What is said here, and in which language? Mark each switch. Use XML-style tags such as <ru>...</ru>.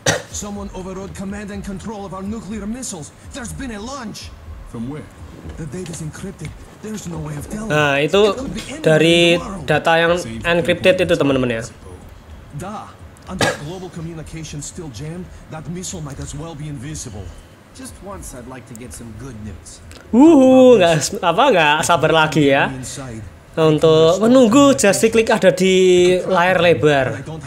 <en>Someone overrode command and control of our nuclear missiles. There's been a launch. From where? The data is encrypted. There's no way of telling.</en> <id>Nah, itu dari data yang encrypted itu, teman-teman ya.</id> <en>Duh. Under global communication still jammed, that missile might as well be invisible. Just once I'd like to get some good news.</en> <id>Enggak sabar lagi ya. Untuk menunggu Justice League ada di layar lebar.</id>